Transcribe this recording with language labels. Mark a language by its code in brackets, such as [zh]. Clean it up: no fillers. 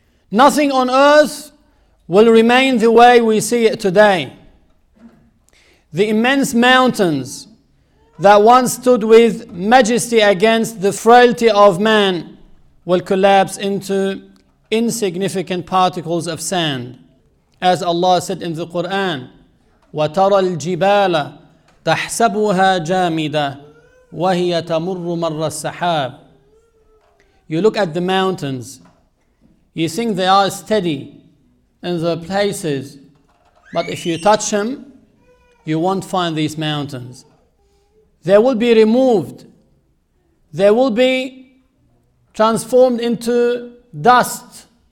[en] Nothing on earth will remain the way we see it today. The immense mountains that once stood with majesty against the frailty of man will collapse into insignificant particles of sand. As Allah said in the Quran, [ar] وَتَرَى الْجِبَالَ تَحْسَبُهَا جَامِدَةً وَهِيَ تَمُرُّ مَرَّ السَّحَابِ. [en] You look at the mountains, you think they are steady in their places, but if you touch them, you won't find these mountains. They will be removed. They will be transformed into dust.